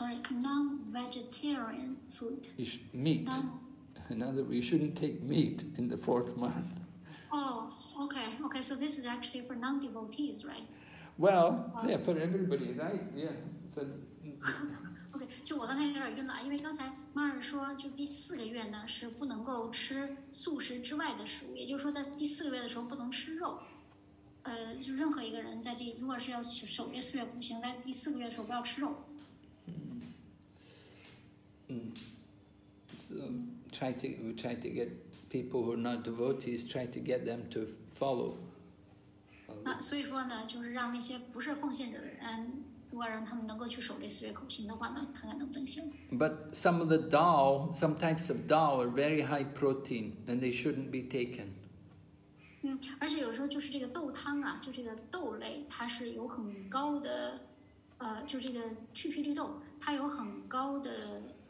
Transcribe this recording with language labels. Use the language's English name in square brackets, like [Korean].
[English] Non-vegetarian food. Meat. In other words, you shouldn't take meat in the fourth month. Oh, okay. So this is actually for non-devotees, right? Well, yeah, for everybody, right? Yeah. So, okay. [Chinese] 就我刚才有点晕了，因为刚才马尔说，就第四个月呢是不能够吃素食之外的食物，也就是说在第四个月的时候不能吃肉。就任何一个人在这，如果是要守这四月苦行，在第四个月的时候不要吃肉。 [English] So we try to get people who are not devotees, try to get them to follow. [Chinese] 那所以说呢，就是让那些不是奉献者的人，如果让他们能够去守这四月苦行的话呢，看看能不能行。 [English] But some of the dal, some types of dal are very high protein, and they shouldn't be taken. [Chinese] 而且有时候就是这个豆汤啊，就这个豆类，它是有很高的，就这个去皮绿豆，它有很高的。